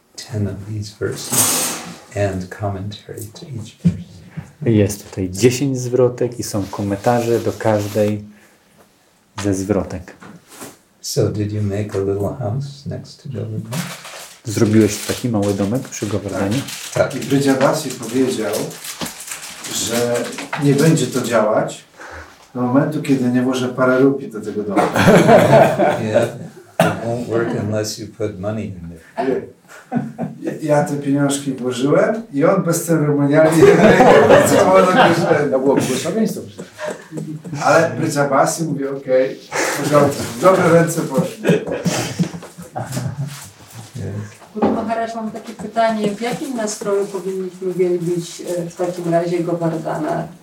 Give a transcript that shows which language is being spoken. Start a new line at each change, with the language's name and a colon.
English: Ten of these verses and commentary to each verse.
Polish: Jest tutaj 10 zwrotek i są komentarze do każdej ze zwrotek.
English: So did you make a little house next to Govardhan?
Polish: Zrobiłeś taki mały domek przy Govardhanie? Tak. I Vrindavasi powiedział, że nie będzie to działać do momentu, kiedy nie włożę parę rupii do tego domu.
English: It won't work unless you put money in there.
Polish: Ja te pieniążki włożyłem i on bez ceremoniali całą zakończył. To było błogosławieństwo. Ale Vrindavasi mówi, okej, w porządku, dobre ręce poszły. Guru Maharaj, mam takie pytanie, w jakim nastroju powinniśmy wielbić w takim razie Govardhana?